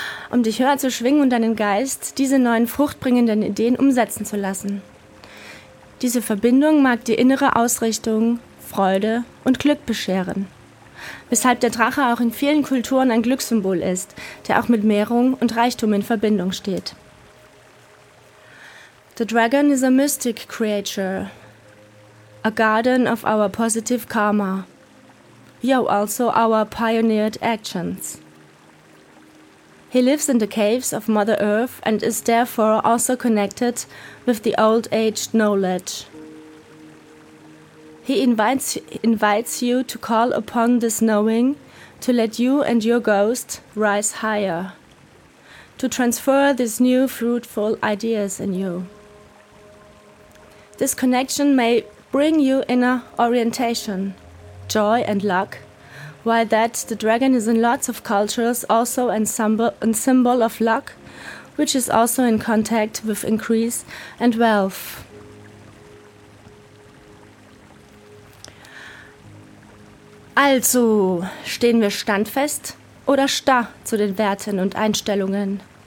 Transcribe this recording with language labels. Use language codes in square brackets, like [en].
[de] Um dich höher zu schwingen und deinen Geist diese neuen fruchtbringenden Ideen umsetzen zu lassen. Diese Verbindung mag dir innere Ausrichtung, Freude und Glück bescheren. Weshalb der Drache auch in vielen Kulturen ein Glückssymbol ist, der auch mit Mehrung und Reichtum in Verbindung steht. [en] The dragon is a mystic creature. A guardian of our positive karma. Yo, also our pioneered actions. He lives in the caves of Mother Earth and is therefore also connected with the old age knowledge. He invites you to call upon this knowing to let you and your ghost rise higher, to transfer these new fruitful ideas in you. This connection may bring you inner orientation, joy and luck. While that, the dragon is in lots of cultures also a symbol of luck, which is also in contact with increase and wealth. [de] Also, stehen wir standfest oder starr zu den Werten und Einstellungen?